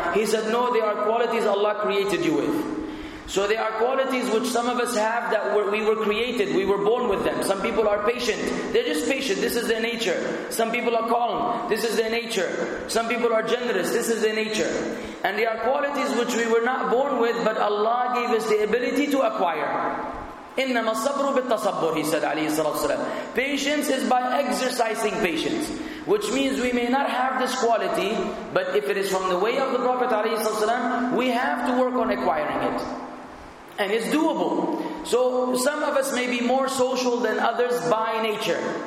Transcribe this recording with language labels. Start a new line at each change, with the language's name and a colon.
English: He said, no, there are qualities Allah created you with. So there are qualities which some of us have that we were born with them. Some people are patient. They're just patient. This is their nature. Some people are calm. This is their nature. Some people are generous. This is their nature. And there are qualities which we were not born with, but Allah gave us the ability to acquire.
Arabic: إِنَّمَا الصَّبْرُ بِالتَّصَبُّرِ,
English: he said,
Arabic: عليه الصلاة والسلام.
English: Patience is by exercising patience. Which means we may not have this quality, but if it is from the way of the Prophet عليه الصلاة والسلام, we have to work on acquiring it. And it's doable. So some of us may be more social than others by nature.